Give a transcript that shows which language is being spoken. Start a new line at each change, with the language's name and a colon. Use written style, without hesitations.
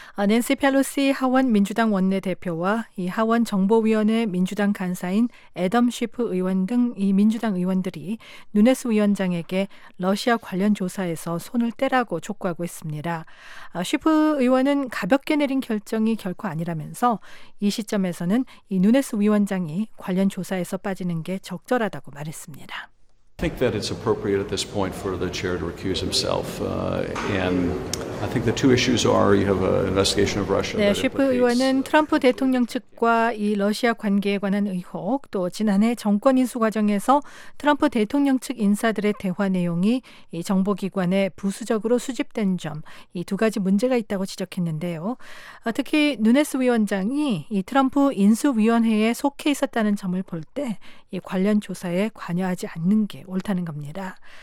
Korean: 낸시 펠로시 하원 민주당 원내대표와 이 하원 정보위원회 민주당 간사인 애덤 쉬프 의원 등 이 민주당 의원들이 누네스 위원장에게 러시아 관련 조사에서 손을 떼라고 촉구하고 있습니다. 쉬프 의원은 가볍게 내린 결정이 결코 아니라면서 이 시점에서는 이 누네스 위원장이 관련 조사에서 빠지는 게 적절하다고 말했습니다.
English: I think that it's appropriate at this point for the chair to recuse himself. And I think the two issues are you have an investigation of Russia.
Korean: 네, 쉬프 의원은 트럼프 대통령 측과 이 러시아 관계에 관한 의혹, 또 지난해 정권 인수 과정에서 트럼프 대통령 측 인사들의 대화 내용이 이 정보기관에 부수적으로 수집된 점, 이 두 가지 문제가 있다고 지적했는데요. 특히 누네스 위원장이 이 트럼프 인수위원회에 속해 있었다는 점을 볼 때 이 관련 조사에 관여하지 않는 게 옳다는 겁니다.